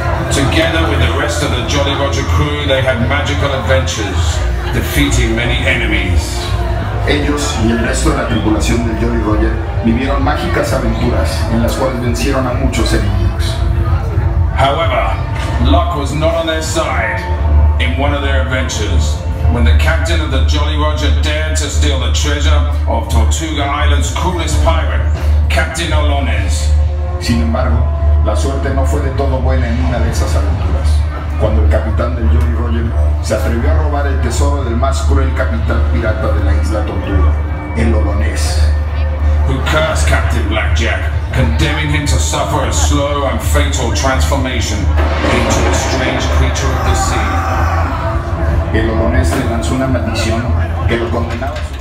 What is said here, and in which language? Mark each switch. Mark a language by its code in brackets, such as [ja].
[en] Together with the rest of the Jolly Roger crew, they had magical adventures, defeating many enemies. [es] Ellos y el resto de la tripulación del Jolly Roger vivieron mágicas aventuras en las cuales vencieron a muchos enemigos. [en] However, luck was not on their side in one of their adventures. When the captain of the Jolly Roger dared to steal the treasure of Tortuga Island's coolest pirate, Captain Olones. [es] Sin embargo, la suerte no fue de todo buena en una de esas aventuras, cuando el capitán del Jolly Roger se atrevió a robar el tesoro del más cruel capitán pirata de la isla Tortuga, el Olones. [en] Who cursed Captain Blackjack, condemning him to suffer a slow and fatal transformation into a strange creature of the sea. [es] El Olones le lanzó una maldición que lo condenaba.